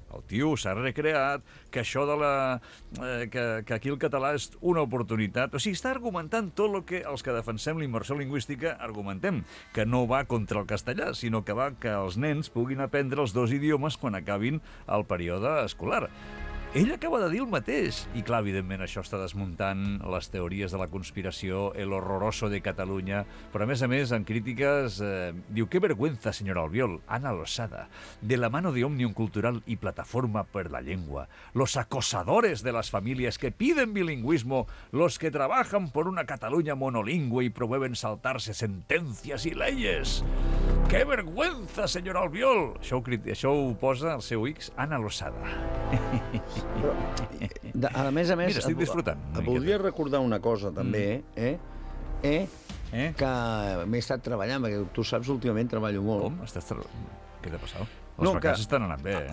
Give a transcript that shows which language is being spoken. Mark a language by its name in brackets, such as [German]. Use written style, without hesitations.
[Catalan] El tio s'ha recreat que això de la... que aquí el català és una oportunitat. O sigui, està argumentant tot el que els que defensem l'immersió lingüística argumentem, que no va contra el castellà, sinó que va que els nens puguin aprendre els dos idiomes quan acabin el període escolar. Ell acaba de dir el mateix. I clar, evidentment, això està desmuntant les teories de la conspiració, [Spanish] el horroroso [Catalan] de Catalunya. Però, a més, en crítiques, diu, [Spanish] qué vergüenza, señor Albiol, Ana Losada, de la mano de Òmnium Cultural y Plataforma per la Lengua, los acosadores de las familias que piden bilingüismo, los que trabajan por una Catalunya monolingüe y promueven saltarse sentencias y leyes. Qué vergüenza, señor Albiol. [Catalan] Això ho posa el seu X, Ana Losada. A més, mira, estic disfrutant. Voldria recordar una cosa, també, que m'he estat treballant, perquè tu saps, últimament treballo molt. Com? Què t'ha passat? Les vacances t'han anat bé,